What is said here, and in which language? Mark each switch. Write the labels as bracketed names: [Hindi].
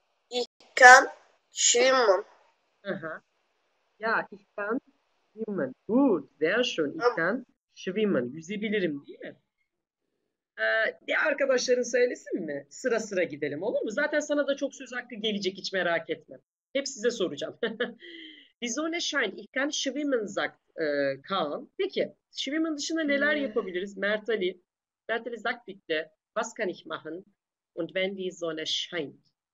[German] Ich kann schwimmen. Aha. Ja, ich kann schwimmen. Gut, sehr schön. Ich kann schwimmen. [Turkish] Yüzebilirim, değil mi? Bir arkadaşların söylesin mi? Sıra sıra gidelim, olur mu? Zaten sana da çok söz hakkı gelecek, hiç merak etme. Hep size soracağım. [German] Die Sonne scheint, ich kann schwimmen, sagt Kaan. [Turkish] Peki, schwimmen dışında neler yapabiliriz? [German] Mert Ali, Mert Ali sagt bitte, was kann ich machen? Und wenn die Sonne scheint?